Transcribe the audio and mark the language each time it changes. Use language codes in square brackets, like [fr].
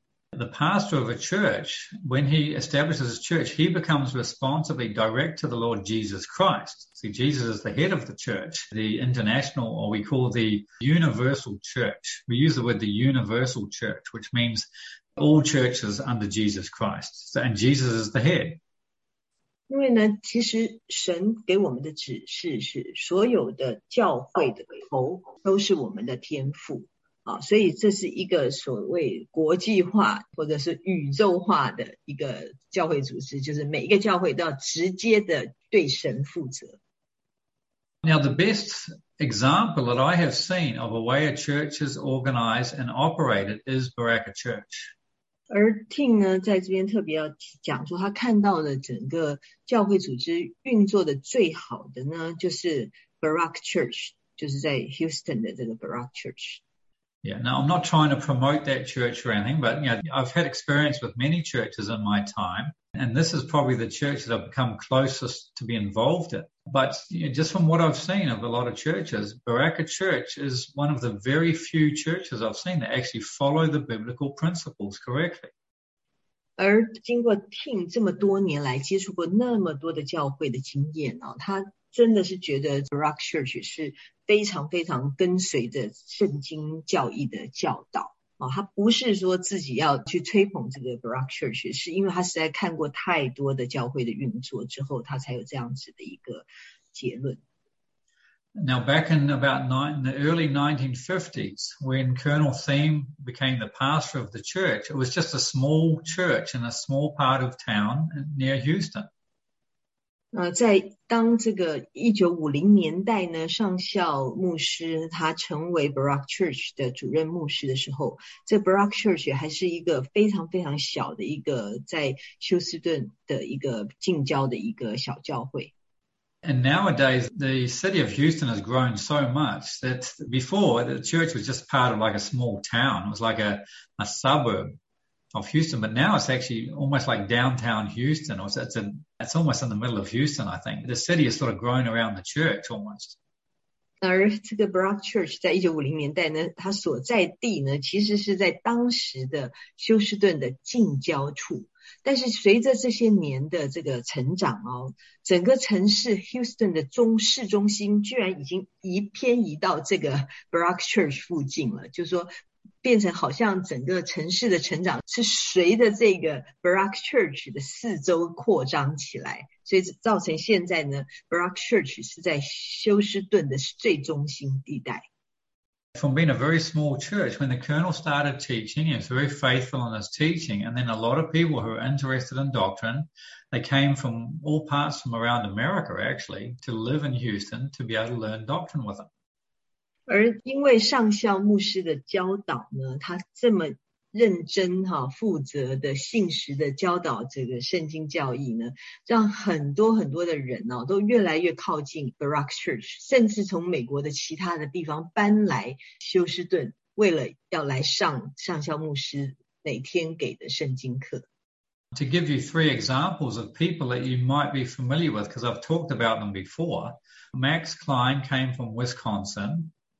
[en] The pastor of a church, when he establishes his church, he becomes responsibly direct to the Lord Jesus Christ. See, Jesus is the head of the church, the international, or we call the universal church. We use the word the universal church, which means all churches under Jesus Christ. So, and Jesus is the head. [zh] 因为呢，其实神给我们的指示是所有的教会的头都是我们的天父。所以这是一个所谓国际化或者是宇宙化的一个教会组织，就是每一个教会都要直接的对神负责。 [en] Now the best example that I have seen of a way a church is organized and operated is Baraka Church. [zh] 而 Tim 呢，在这边特别要讲说，他看到的整个教会组织运作的最好的呢，就是 Baraka Church， 就是在 Houston 的这个 Baraka Church。 [en] Yeah, now I'm not trying to promote that church or anything, but you know, I've had experience with many churches in my time, and this is probably the church that I've become closest to be involved in. But you know, just from what I've seen of a lot of churches, Baraka Church is one of the very few churches I've seen that actually follow the biblical principles correctly. [zh] 而经过 Tim 这么多年来接触过那么多的教会的经验呢，他真的是觉得 Baraka Church 是非常非常跟随着圣经教义的教导啊，他不是说自己要去吹捧这个 Baraka Church， 是因为他实在看过太多的教会的运作之后，他才有这样子的一个结论。 [en] Now back in about the early 1950s, when Colonel Thieme became the pastor of the church, it was just a small church in a small part of town near Houston. [zh] 在当这个1950年代呢，上校牧师他成为 Baraka Church 的主任牧师的时候，这 Baraka Church 还是一个非常非常小的一个在休斯顿的一个近郊的一个小教会。 [en] And nowadays, the city of Houston has grown so much that before, the church was just part of like a small town. It was like a suburb of Houston. But now it's actually almost like downtown Houston. It's almost in the middle of Houston, I think. The city has sort of grown around the church almost. [zh] 而这个 Brock Church 在 1950年代呢, 它所在地呢, 其实是在当时的休斯顿的近郊处。但是随着这些年的这个成长哦, 整个城市 Houston的中市中心 居然已经移偏移到这个 Brock Church 附近了, 就是说, 变成好像整个城市的成长 是随着这个 Brock Church的四周扩张起来。所以造成现在呢, Brock Church是在休斯顿的最中心地带。 [en] From being a very small church, when the colonel started teaching, he was very faithful in his teaching, and then a lot of people who were interested in doctrine, they came from all parts from around America, actually, to live in Houston to be able to learn doctrine with him. [zh] 而因为上校牧师的教导呢, 他这么 认真、负责的、信实的教导这个圣经教义呢, 让很多很多的人哦, 都越来越靠近 Brock Church, 甚至从美国的其他的地方搬来休斯顿, 为了要来上上校牧师每天给的圣经课。 [en] To give you three examples of people that you might be familiar with, because I've talked about them before, Max Klein came from Wisconsin.